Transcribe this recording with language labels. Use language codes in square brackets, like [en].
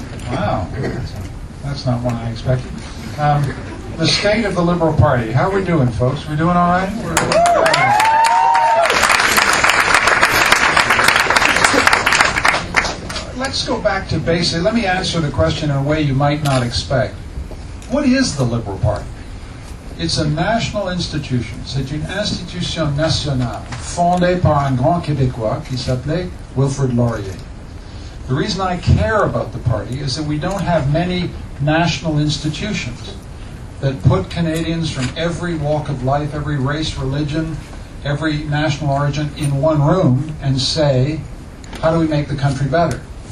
[en] Wow. That's not what I expected. The state of the Liberal Party. How are we doing, folks? We doing all right? Let's go back to basic. Let me answer the question in a way you might not expect. What is the Liberal Party? It's a national institution. [fr] C'est une institution nationale fondée par un grand Québécois qui s'appelait Wilfrid Laurier. [en] The reason I care about the party is that we don't have many national institutions that put Canadians from every walk of life, every race, religion, every national origin in one room and say, how do we make the country better?